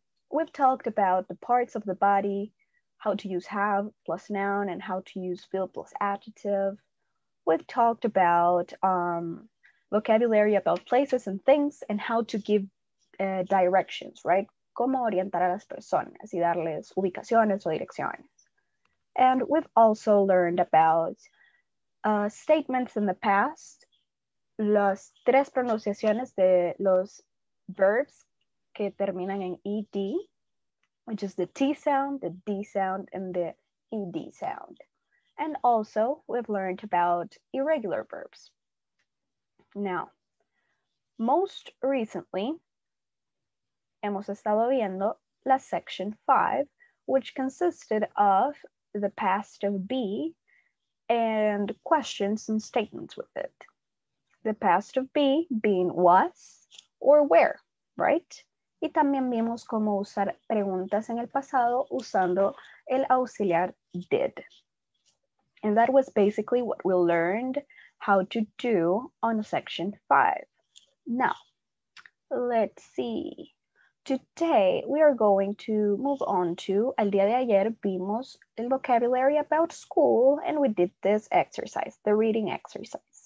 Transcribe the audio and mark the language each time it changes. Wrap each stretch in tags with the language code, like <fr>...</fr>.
<en>We've talked about the parts of the body, how to use have plus noun and how to use feel plus adjective. We've talked about vocabulary about places and things and how to give directions, right?</en> <es>Cómo orientar a las personas y darles ubicaciones o direcciones.</es> <en>And we've also learned about statements in the past, las tres pronunciaciones de los verbs que terminan en ed, which is the T sound, the D sound, and the ed sound. And also we've learned about irregular verbs. Now, most recently, hemos estado viendo la section 5, which consisted of the past of be and questions and statements with it. The past of be being was or where, right?</en> <es>Y también vimos cómo usar preguntas en el pasado usando el auxiliar did.</es> <en>And that was basically what we learned how to do on section 5. Now, let's see. Today, we are going to move on to, al día de ayer vimos el vocabulary about school and we did this exercise, the reading exercise.</en>